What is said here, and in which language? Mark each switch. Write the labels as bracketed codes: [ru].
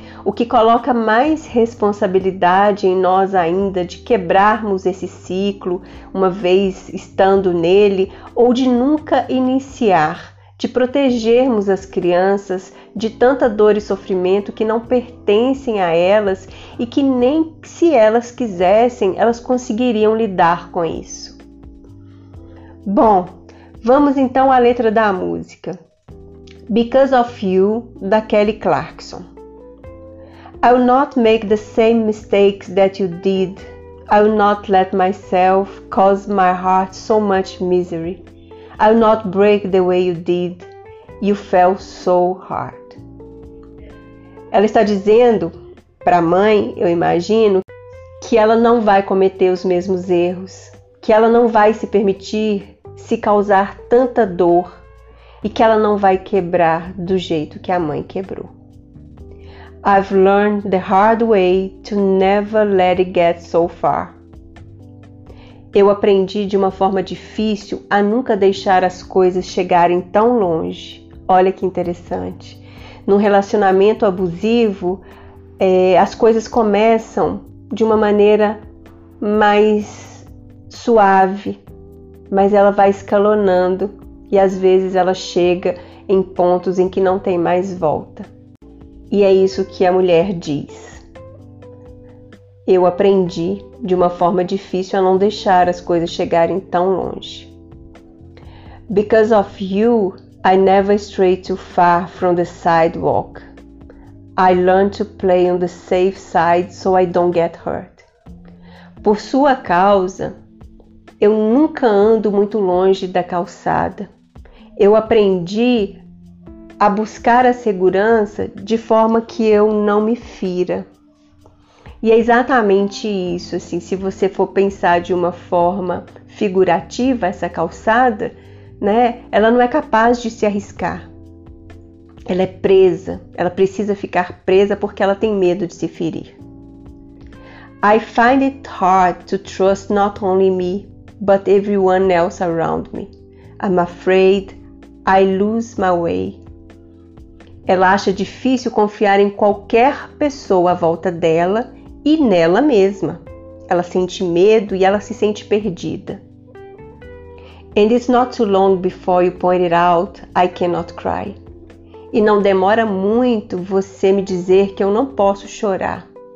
[pt] O que coloca mais responsabilidade em nós ainda de quebrarmos esse ciclo, uma vez estando nele, ou de nunca iniciar, de protegermos as crianças de tanta dor e sofrimento que não pertencem a elas e que nem se elas quisessem, elas conseguiriam lidar com isso. Bom, vamos então à letra da música. Because of You, da Kelly Clarkson. [en] I will not make the same mistakes that you did. I will not let myself cause my heart so much misery. I will not break the way you did. You fell so hard. [pt] Ela está dizendo para a mãe, eu imagino, que ela não vai cometer os mesmos erros, que ela não vai se permitir se causar tanta dor e que ela não vai quebrar do jeito que a mãe quebrou. [en] I've learned the hard way to never let it get so far. [pt] Eu aprendi de uma forma difícil a nunca deixar as coisas chegarem tão longe. Olha que interessante. Num relacionamento abusivo, as coisas começam de uma maneira mais suave, mas ela vai escalonando e às vezes ela chega em pontos em que não tem mais volta. E é isso que a mulher diz. Eu aprendi de uma forma difícil a não deixar as coisas chegarem tão longe. [en] Because of you, I never stray too far from the sidewalk. I learn to play on the safe side so I don't get hurt. [pt] Por sua causa, eu nunca ando muito longe da calçada. Eu aprendi a buscar a segurança de forma que eu não me fira. E é exatamente isso, assim, se você for pensar de uma forma figurativa, essa calçada, né? Ela não é capaz de se arriscar. Ela é presa, ela precisa ficar presa porque ela tem medo de se ferir. [en] I find it hard to trust not only me, but everyone else around me. I'm afraid I lose my way. [pt] Ela acha difícil confiar em qualquer pessoa à volta dela e nela mesma. Ela sente medo e ela se sente perdida. [en] And it's not too long before you point it out, I cannot cry. [pt] E não demora muito você me dizer que eu não posso chorar.